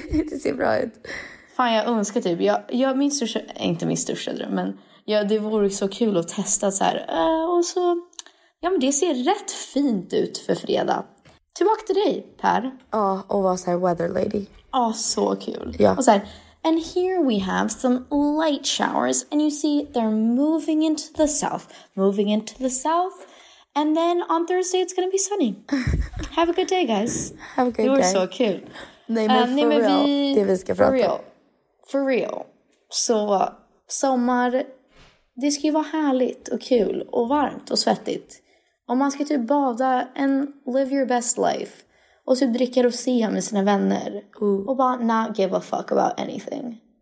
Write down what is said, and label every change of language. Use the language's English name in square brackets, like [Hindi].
[Swedish] Det ser bra ut. Fan, jag önskar typ. Jag min största, inte min största dröm, men ja, det vore så kul att testa så här. Och så, ja, men det ser rätt fint ut för fredag. Tillbaka till dig, Per. Ja, och var så här weather lady. Ja, så kul. Ja. Och så här, [English] and here we have some light showers. And you see, they're moving into the south. Moving into the south. And then on Thursday, it's going to be sunny. Have a good day, guys. Have a good day. [Swedish] Det var så kul. Nej, men för real. Så sommar, det ska ju vara härligt och kul och varmt och svettigt. Om man ska typ bada [English] and live your best life. [Swedish] Och typ dricka rosé med sina vänner. Ooh. Och bara [English] not give a fuck about anything.